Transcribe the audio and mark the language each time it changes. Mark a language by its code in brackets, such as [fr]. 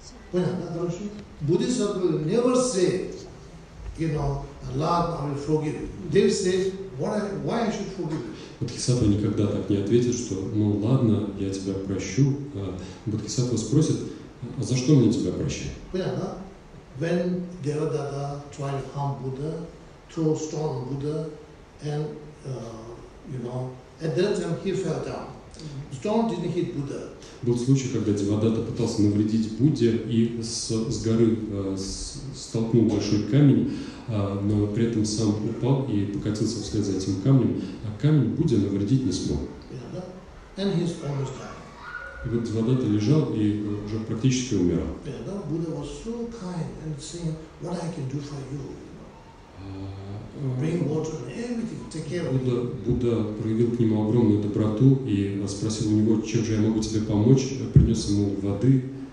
[ru] Понятно? Хорошо? Будет сказать, [en] never say, you know, ладно, I will forgive. They say, why I should forgive? [ru] Бодхисаттва никогда так не ответит, что, ну ладно, я тебя прощу. Бодхисаттва спросит, а за что мне тебя прощать? Понятно? [en] When Devadatta tried to harm Buddha, throw stone on Buddha, and you know, at that time he fell down. Stone didn't hit Buddha. [ru] Был случай, когда Девадатта пытался навредить Будде и с горы столкнул большой камень, но при этом сам упал и покатился вслед за этим камнем, а камень Будде навредить не смог. [en] And he's almost dying. [ru] И вот Девадатта лежал и уже практически умирал. [en] Buddha was so kind and saying, what I can do for you. Bring water and everything, take care of it. [ru] Будда проявил к нему огромную доброту и спросил у него, чем же я могу тебе помочь, принес ему воды.